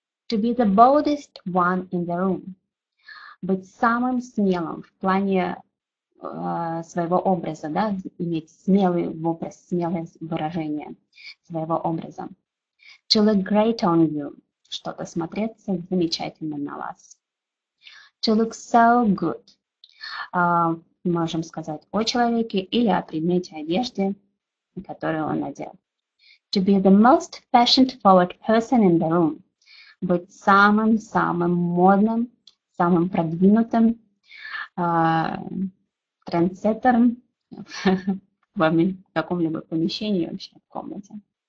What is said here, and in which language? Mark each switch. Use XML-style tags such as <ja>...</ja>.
<en>To be the boldest one in the room.</en> <ru>Быть самым смелым в плане своего образа, да, иметь смелый образ, смелое выражение своего образа.</ru> <en>To look great on you.</en> <ru>Что-то смотреться замечательно на вас.</ru> <en>To look so good.</en> <ru>Можем сказать о человеке или о предмете одежды, которую он надел.</ru> <en>To be the most fashion-forward person in the room.</en> <ru>Быть самым-самым модным, самым продвинутым трендсеттером в каком-либо помещении, вообще в комнате.</ru>